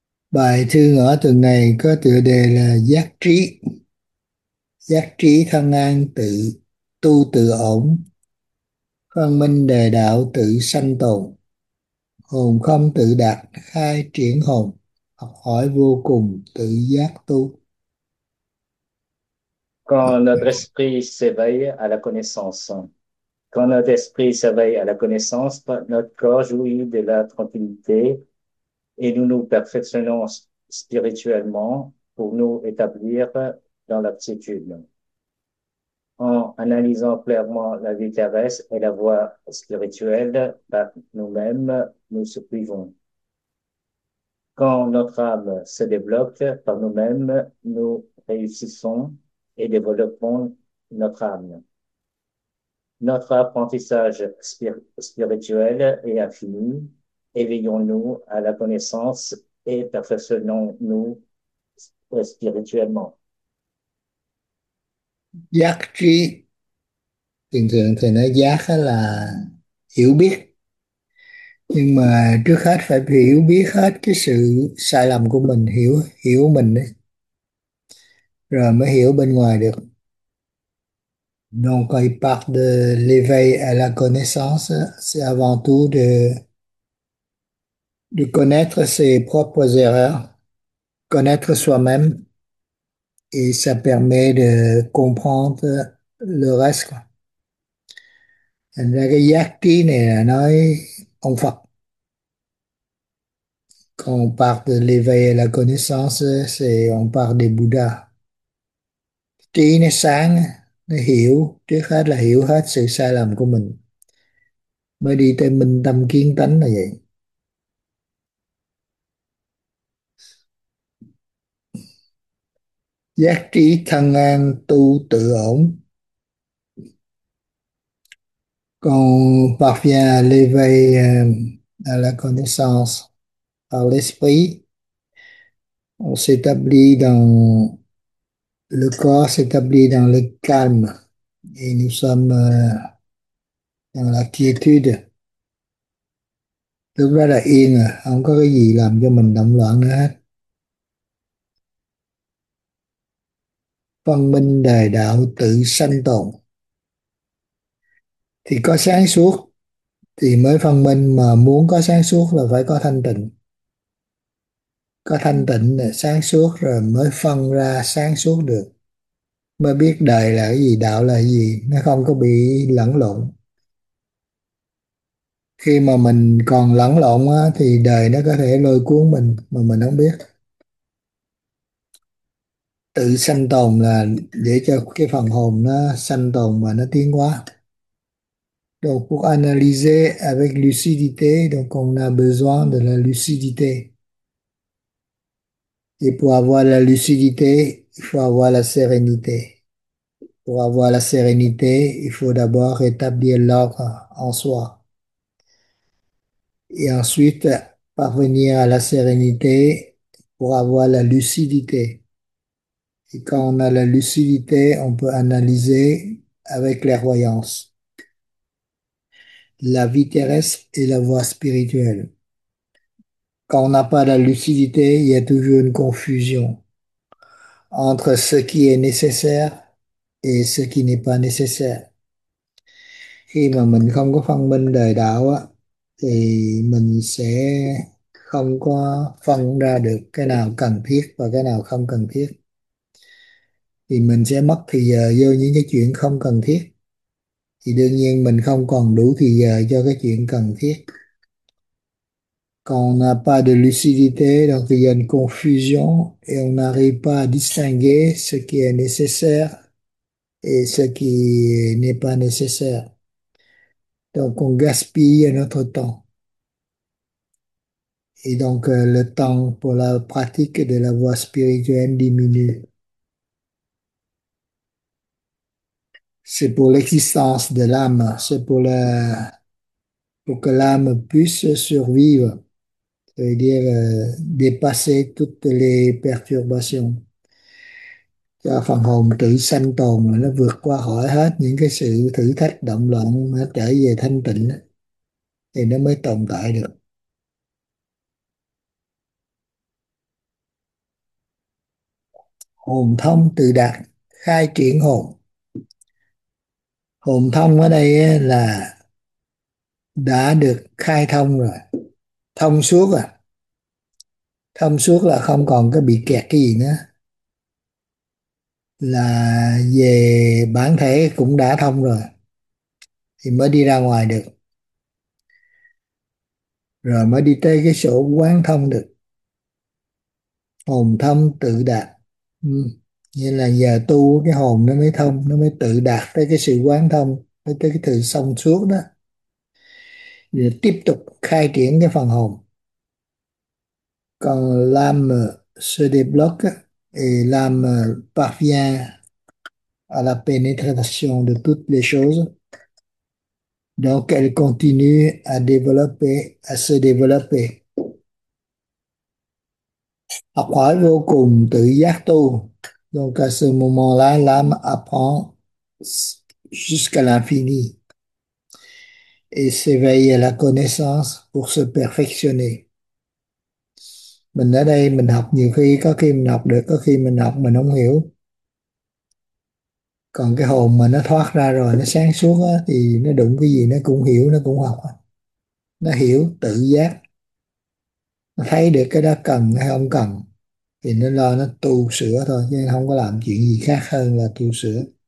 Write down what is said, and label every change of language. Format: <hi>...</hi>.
<vi>Bài thư ngữ tuần này có tựa đề là Giác trí. Giác trí thân an tự tu tự ổn, phân minh đề đạo tự sanh tồn, hồn không tự đạt khai triển hồn, học hỏi vô cùng tự giác tu.</vi> <fr>Quand notre esprit s'éveille à la connaissance, quand notre esprit s'éveille à la connaissance, notre corps jouit de la tranquillité et nous nous perfectionnons spirituellement pour nous établir dans l'aptitude. En analysant clairement la vie terrestre et la voie spirituelle par nous-mêmes, nous survivons. Quand notre âme se développe par nous-mêmes, nous réussissons et développons notre âme. Notre apprentissage spirituel est infini. Éveillons-nous à la connaissance et perfectionnons-nous spirituellement.</fr> <vi>Giác trí, thường thường thì nói giác là hiểu biết, nhưng mà trước hết phải hiểu biết hết cái sự sai lầm của mình, hiểu hiểu mình ấy, rồi mới hiểu bên ngoài được.</vi> <fr>Donc il parle de l'éveil à la connaissance, c'est avant tout de connaître ses propres erreurs, connaître soi-même. Et ça permet de comprendre le reste, quoi.</fr> <vi>Thành ra cái giác trí này là nói ông Phật.</vi> <fr>Quand on parle de l'éveil à la connaissance, c'est on parle des Bouddhas.</fr> <vi>Trí nó sáng, nó hiểu, trước hết là hiểu hết sự sai lầm của mình. Mới đi tới minh tâm kiến tánh là vậy. Giác trí thân an tu tự ổn.</vi> <fr>Còn parvient à l'éveil à la connaissance par l'esprit. On s'établit dans le corps, s'établit dans le calme et nous sommes dans la quiétude.</fr> <vi>Lúc đó là yên à, không có cái gì làm cho mình động loạn nữa hết. Phân minh đại đạo tự sanh tồn thì có sáng suốt thì mới phân minh, mà muốn có sáng suốt là phải có thanh tịnh, có thanh tịnh là sáng suốt rồi mới phân ra sáng suốt được, mới biết đời là cái gì, đạo là cái gì, nó không có bị lẫn lộn. Khi mà mình còn lẫn lộn á, thì đời nó có thể lôi cuốn mình mà mình không biết. Tự sanh tồn là để cho cái phần hồn nó sanh tồn và nó tiến hóa.</vi> <fr>Donc pour analyser avec lucidité, donc on a besoin de la lucidité. Et pour avoir la lucidité, il faut avoir la sérénité. Pour avoir la sérénité, il faut d'abord établir l'ordre en soi. Et ensuite, parvenir à la sérénité pour avoir la lucidité. Et quand on a la lucidité, on peut analyser avec clairvoyance la vie terrestre et la voie spirituelle. Quand on n'a pas la lucidité, il y a toujours une confusion entre ce qui est nécessaire et ce qui n'est pas nécessaire.</fr> <vi>Khi mà mình không có phân minh đời đạo á, thì mình sẽ không có phân ra được cái nào cần thiết và cái nào không cần thiết. Thì mình sẽ mất thì giờ vô những cái chuyện không cần thiết. Thì đương nhiên mình không còn đủ thì giờ cho cái chuyện cần thiết.</vi> <fr>Còn on n'a pas de lucidité, donc il y a une confusion et on n'arrive pas à distinguer ce qui est nécessaire et ce qui n'est pas nécessaire. Donc on gaspille notre temps. Et donc le temps pour la pratique de la voie spirituelle diminue. C'est pour l'existence de l'âme, c'est pour que l'âme puisse survivre, c'est-à-dire dépasser toutes les perturbations.</fr> <vi>cho phần hồn tự sanh tồn, mà nó vượt qua khỏi hết những cái sự thử thách động loạn, nó trở về thanh tịnh thì nó mới tồn tại được. Hồn thông tự đạt, khai triển hồn. Hồn thông ở đây là đã được khai thông rồi, thông suốt rồi. Thông suốt là không còn cái bị kẹt cái gì nữa, là về bản thể cũng đã thông rồi thì mới đi ra ngoài được, rồi mới đi tới cái chỗ quán thông được. Hồn thông tự đạt, như là giờ tu cái hồn nó mới thông, nó mới tự đạt tới cái sự quán thông, tới cái sự thông suốt đó, rồi tiếp tục khai triển cái phần hồn. Còn làm sơ đề block á,</vi> <fr>et l'âme parvient à la pénétration de toutes les choses, donc elle continue à se développer.</fr> <vi>Học hỏi vô cùng tự giác tu,</vi> <fr>donc à ce moment-là, l'âme apprend jusqu'à l'infini et s'éveille à la connaissance pour se perfectionner.</fr> <vi>Mình ở đây mình học, nhiều khi có khi mình học được, có khi mình học mình không hiểu. Còn cái hồn mà nó thoát ra rồi, nó sáng suốt á, thì nó đụng cái gì nó cũng hiểu, nó cũng học, nó hiểu tự giác, nó thấy được cái đó cần hay không cần thì nó lo nó tu sửa thôi, chứ không có làm chuyện gì khác hơn là tu sửa.</vi>